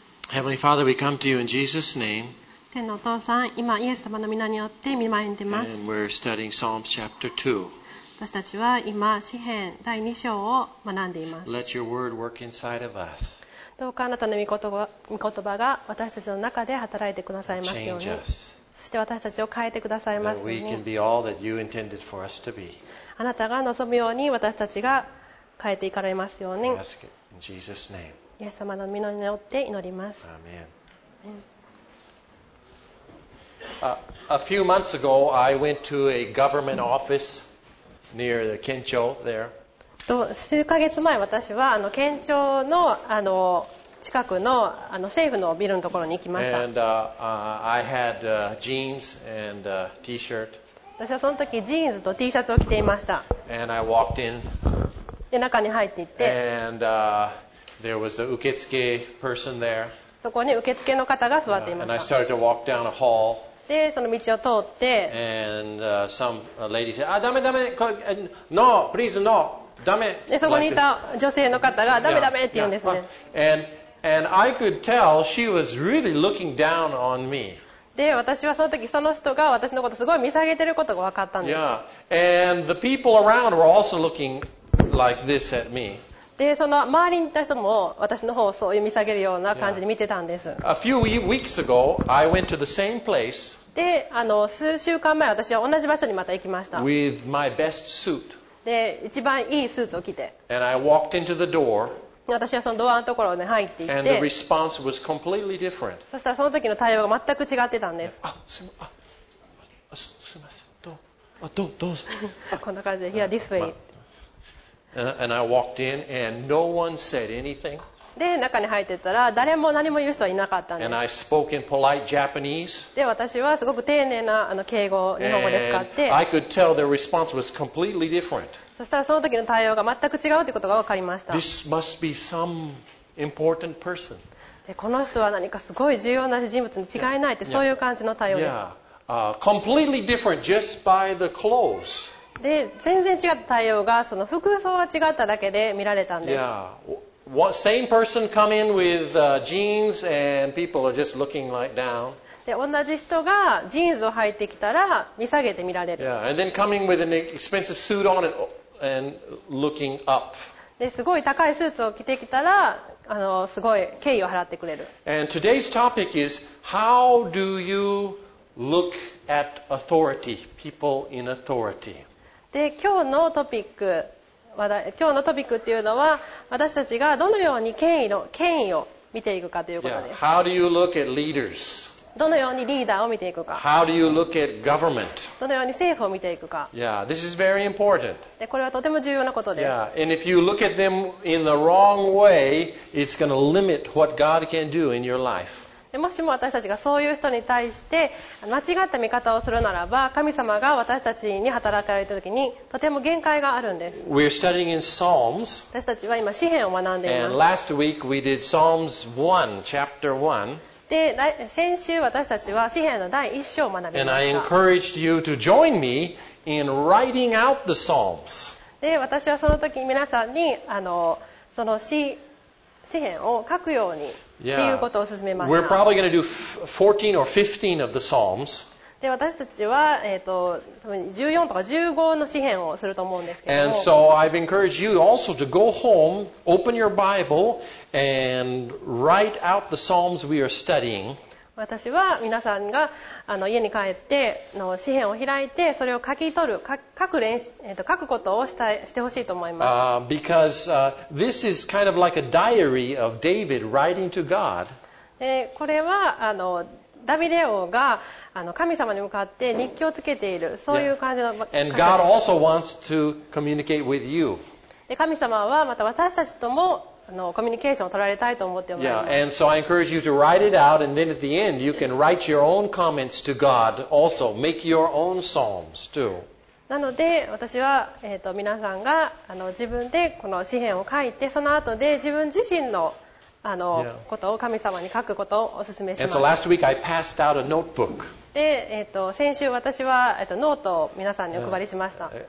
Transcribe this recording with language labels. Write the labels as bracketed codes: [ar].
[en] Heavenly Father, we come to you in Jesus' name. [ja] 天のお父さん、今イエス様の名によって御前に出ます。 [en] And we're studying Psalms chapter 2. [ja] 私たちは今詩編第2章を学んでいます。 [en] Let your word work inside of us. [ja] どうかあなたの御言葉が私たちの中で働いてくださいますように。 [en] Change us. [ja] そして私たちを変えてくださいますように。あなたが望むように私たちが変えていかれますように。イエス様の御名によって祈ります。アーメン。 [en] A few months ago, I went to a government office near the Kencho there. [ja] 数ヶ月前、私は県庁の近く の, 政府のビルのところに行きました。 [en] And, I had, jeans and, T-shirt. [ja] 私はその時ジーンズと T シャツを着ていました。 [en] And I walked in. [ja] で中に入っていって。 [en] And, there was a 受付 person there. [ja] そこに受付の方が座っていました。 [en] And I started to walk down a hall. [ja] でその道を通って。 [en] And, some lady said, ah, [ja] ダメダメ、 [en] No, please no. [ja] ダメ。でそこにいた女性の方がダメダメって言うんですね。 [en] And I could tell she was really looking down on me. [ja] で私はその時その人が私のことすごい見下げてることが分かったんです。 [en] Yeah. And the people around were also looking like this at me. [ja] でその周りにいた人も私の方をそういう見下げるような感じで見てたんです。 [en] A few weeks ago, I went to the same place. [ja] で数週間前私は同じ場所にまた行きました。 [en] With my best suit. [ja] で一番いいスーツを着て [en] And I walked into the door, [ja] 私はそのドアのところに、ね、入っていって [en] And the response was completely different. [ja] そしたらその時の対応が全く違ってたんですすいませんどうぞこんな感じで [en] Here this way And I walked in and no one said anything. [ja] で中に入っていったら誰も何も言う人はいなかったんです [en] And I spoke in polite Japanese. [ja] で私はすごく丁寧な敬語を日本語で使って [en] I could tell their response was completely different. [ja] そしたらその時の対応が全く違うということが分かりました [en] This must be some important person. [ja] でこの人は何かすごい重要な人物に違いないってそういう感じの対応でした [en] completely different just by the clothes. [ja] で全然違った対応がその服装が違っただけで見られたんです。 [en] Yeah. What, same person come in with, jeans and people are just looking like down. [ja] で同じ人がジーンズを履いてきたら見下げて見られる。 [en] Yeah. And then coming with an expensive suit on it and looking up. [ja] ですごい高いスーツを着てきたらすごい敬意を払ってくれる。 [en] And today's topic is how do you look at authority, people in authority? [ja] で今日のトピックっていうのは私たちがどのように権威を見ていくかということです。 [en] Yeah. How do you look at leaders? [ja] どのようにリーダーを見ていくか。 [en] How do you look at government? [ja] どのように政府を見ていくか。 [en] Yeah. This is very important. [ja] でこれはとても重要なことです。 [en] Yeah. And if you look at them in the wrong way, it's going to limit what God can do in your life. [ja] もしも私たちがそういう人に対して間違った見方をするならば神様が私たちに働かれた時にとても限界があるんです。 [en] We're studying in Psalms. [ja] 私たちは今詩編を学んでいます。 [en] And last week we did Psalms 1, chapter 1. [ja] で先週私たちは詩編の第一章を学びました。 [en] And I encouraged you to join me in writing out the Psalms. [ja] で私はその時皆さんにその詩編を書くようにっていうことを勧めました。 [en] We're probably going to do 14 or 15 of the Psalms. [ja] で、私たちは、14とか15の詩編をすると思うんですけども。 [en] And so I've encouraged you also to go home, open your Bible, and write out the Psalms we are studying. [ja] 私は皆さんが家に帰っての詩編を開いて、それを書き取る、書くことをしてほしいと思います。 [en] Because, this is kind of like a diary of David writing to God. [ja] これはダビデ王が神様に向かって日記をつけている、そういう感じの歌詞です。 [en] And God also wants to communicate with you. [ja] 神様はまた私たちともコミュニケーションを取られたいと思っております。 [en] Yeah, and so I encourage you to write it out, and then at the end you can write your own comments to God also, make your own psalms too. [ja] なので私は皆さんが自分でこの詩編を書いて、その後で自分自身のことを神様に書くことをお勧めします。 [en] And so last week I passed out a notebook. [ja] で先週私はノートを皆さんにお配りしました。